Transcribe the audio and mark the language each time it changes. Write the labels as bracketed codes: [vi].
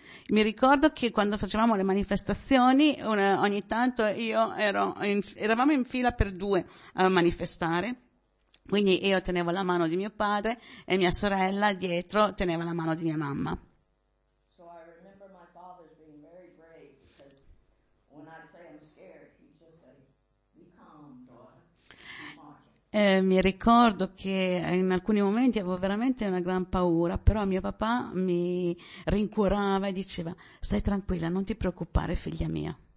[it] Mi ricordo che quando facevamo le manifestazioni, ogni tanto eravamo in fila per due a manifestare. Quindi io tenevo la mano di mio padre e mia sorella dietro teneva la mano di mia mamma. [en] So I remember my father being very brave because when I'd say I'm scared, he'd just say, "Be calm, daughter." [it] Mi ricordo che in alcuni momenti avevo veramente una gran paura, però mio papà mi rincuorava e diceva, "Stai tranquilla, non ti preoccupare, figlia mia."